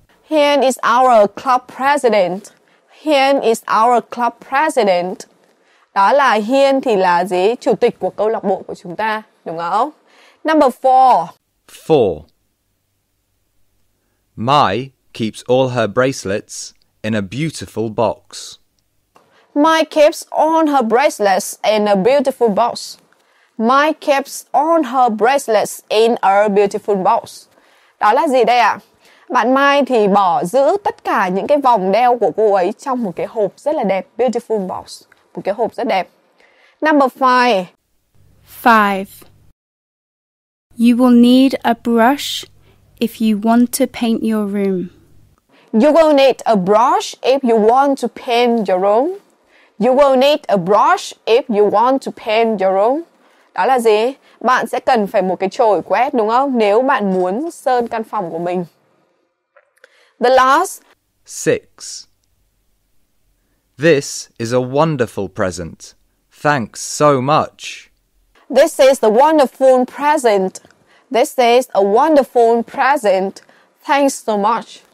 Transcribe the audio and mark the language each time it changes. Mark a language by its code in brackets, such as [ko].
[en] Hiền is our club president. Hiền is our club president. [vi] Đó là Hiên thì là gì? Chủ tịch của câu lạc bộ của chúng ta, đúng không? [en] Number four. Four. Mai keeps all her bracelets in a beautiful box. Mai keeps all her bracelets in a beautiful box. Mai keeps all her bracelets in a beautiful box. [vi] Đó là gì đây ạ? Bạn Mai thì bỏ giữ tất cả những cái vòng đeo của cô ấy trong một cái hộp rất là đẹp. [en] Beautiful box. [vi] Một cái hộp rất đẹp. [en] Number five. Five. You will need a brush if you want to paint your room. You will need a brush if you want to paint your room. You will need a brush if you want to paint your room. Đó là gì? Bạn sẽ cần phải một cái chổi quét, đúng không? Nếu bạn muốn sơn căn phòng của mình. The last. Six. This is a wonderful present. Thanks so much. This is a wonderful present. This is a wonderful present. Thanks so much.